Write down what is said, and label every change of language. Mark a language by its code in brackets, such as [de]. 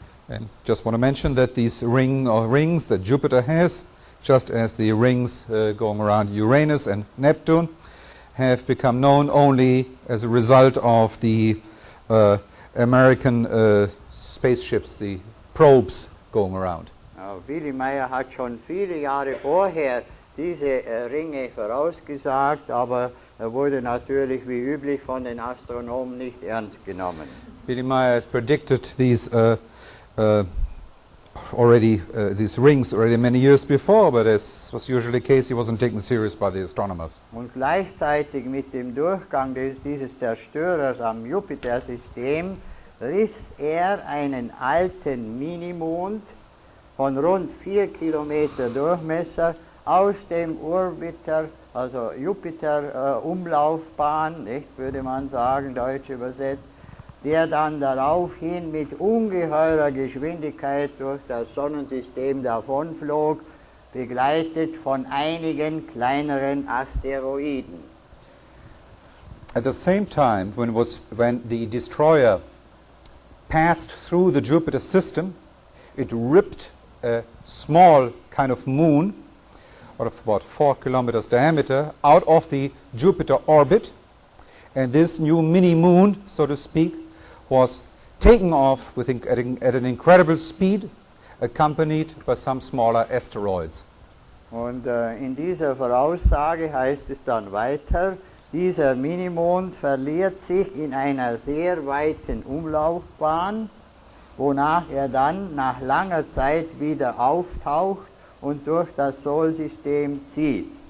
[en] And just want to mention that these rings that Jupiter has, just as the rings going around Uranus and Neptune, have become known only as a result of the American spaceships, the probes going around. [de] Willy Meyer hat schon viele Jahre vorher diese Ringe vorausgesagt, aber er wurde natürlich wie üblich von den Astronomen nicht ernst genommen. [en] Willy Meyer has predicted these these rings already many years before, but as was usually the case, he wasn't taken serious by the astronomers. [de] Und gleichzeitig mit dem Durchgang dieses Zerstörers am Jupiter-System riss er einen alten Minimond von rund 4 Kilometer Durchmesser aus dem Jupiter-Umlaufbahn, nicht, würde man sagen, deutsch übersetzt, der dann daraufhin mit ungeheurer Geschwindigkeit durch das Sonnensystem davonflog, begleitet von einigen kleineren Asteroiden. [en] At the same time, when the destroyer passed through the Jupiter system, it ripped a small kind of moon, out of about 4 kilometers diameter, out of the Jupiter orbit, and this new mini moon, so to speak, was taken off at an incredible speed, accompanied by some smaller asteroids. [de] Und in dieser Voraussage heißt es dann weiter, dieser Minimond verliert sich in einer sehr weiten Umlaufbahn, wonach er dann nach langer Zeit wieder auftaucht und durch das Sol-System zieht.